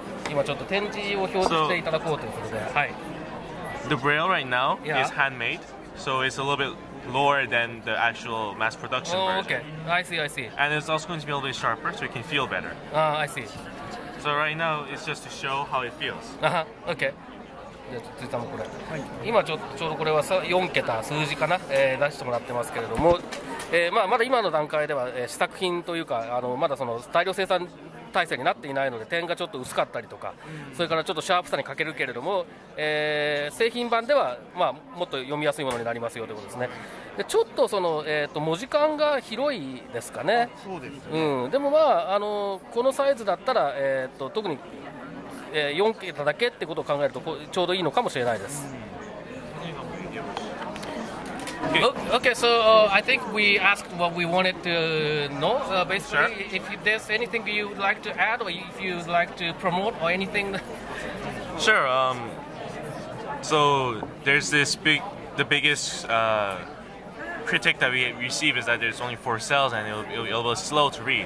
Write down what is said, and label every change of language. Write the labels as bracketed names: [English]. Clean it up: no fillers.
[Japanese] 今ちょっと展示を表示していただこうということで。はい。 [English] The braille right now is handmade, so it's a little bit lower than the actual mass production version. Okay. I see. And it's also going to be a little bit sharper, so you can feel better. I see. So right now, it's just to show how it feels. Uh-huh. Okay. [Japanese] じゃあ続いてもこれ、はい、今ちょうどこれは4桁数字かな、出してもらってますけれども、まあ、まだ今の段階では、試作品というかまだその大量生産体制になっていないので点がちょっと薄かったりとか、うん、それからちょっとシャープさに欠けるけれども、製品版では、まあ、もっと読みやすいものになりますよということですね。でちょっとその、文字感が広いですかね。そうですね、うん、でもまあこのサイズだったら、特に4桁だけってことを考えるとちょうどいいのかもしれないです。 [English] Okay. Okay, so I think we asked what we wanted to know. Basically, sure. If there's anything you would like to add or if you would like to promote or anything. Sure. So there's this big, the biggest critic that we receive is that there's only 4 cells and it'll be slow to read.